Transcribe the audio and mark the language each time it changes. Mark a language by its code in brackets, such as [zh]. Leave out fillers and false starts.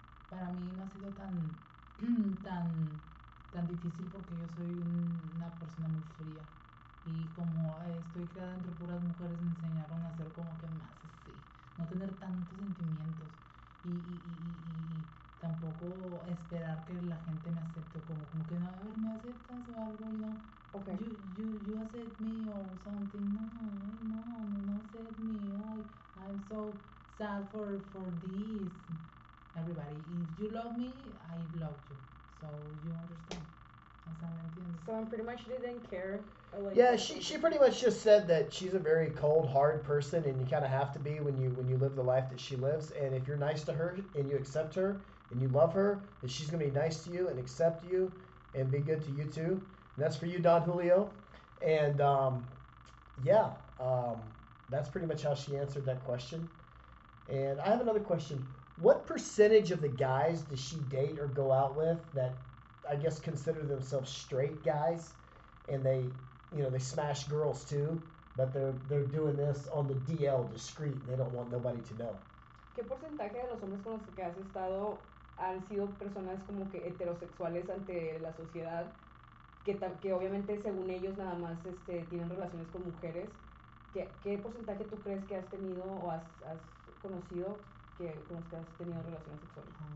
[es] Para mí no ha sido tan difícil porque yo soy una persona muy fría. Y como estoy creada entre puras mujeres, me enseñaron a ser como que más así, no tener tantos sentimientos y tampoco esperar que la gente me acepte, como que no, a ver, ¿me aceptas o algo? No, [en] okay. you accept me or something, no accept me, I'm so sad for this, everybody, if you love me, I love you, so you understand. So I'm pretty much didn't care. Like, yeah, she pretty much just said that she's a very cold, hard person, and you kind of have to be when you live the life that she lives. And if you're nice to her and you accept her and you love her, then she's gonna be nice to you and accept you and be good to you too. And that's for you, Don Julio. And that's pretty much how she answered that question. And I have another question. What percentage of the guys does she date or go out with that, I guess, consider themselves straight guys, and they, you know, they smash girls too, but they're doing this on the DL, discreet, and they don't want nobody to know. [es] ¿Qué porcentaje de los hombres con los que has estado han sido personas como que heterosexuales ante la sociedad, que obviamente según ellos nada más tienen relaciones con mujeres? ¿Qué porcentaje tú crees que has tenido o has conocido que con los que has tenido relaciones sexuales?